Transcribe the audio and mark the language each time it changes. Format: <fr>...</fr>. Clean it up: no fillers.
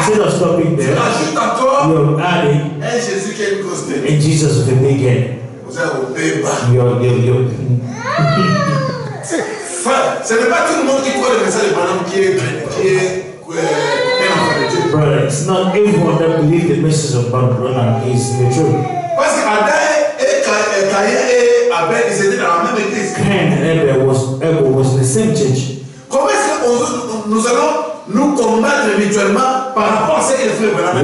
<en>Instead of stopping there.</en> <fr>Tu rajoutes à toi.</fr> <en>You're adding.</en> <fr>Et Jésus qui est une grosse tête.</fr> <en>And Jesus with a big head.</en> <fr>Ce n'est pas tout le monde qui croit le message de Branham qui est un enfant de Dieu.</fr> <en>It's not everyone that believes the message of Branham is the truth.</en> <fr>Parce qu'Adam et Caïn et Abel ils étaient dans la même église.</fr> <en>Cain and Abel was the same church.</en> <fr>Comment est-ce que nous allons nous combattre mutuellement par rapport à ce qu'il fait Branham?</fr>